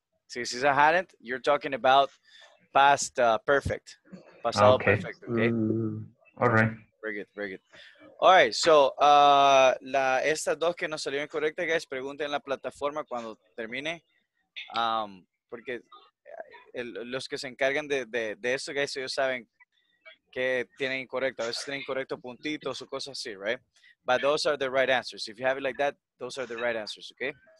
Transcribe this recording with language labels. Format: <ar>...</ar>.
<en>So if it's I hadn't, you're talking about past perfect. Pasado okay. Perfect, okay? All right. Very good, very good. All right, so</en> <es>estas dos que no salieron correctas, guys, pregunten en la plataforma cuando termine. Porque los que se encargan de eso, guys, ellos saben que tienen incorrecto. A veces tienen incorrecto puntitos o cosas así, right?</es> <en>But those are the right answers. If you have it like that, those are the right answers, okay?</en>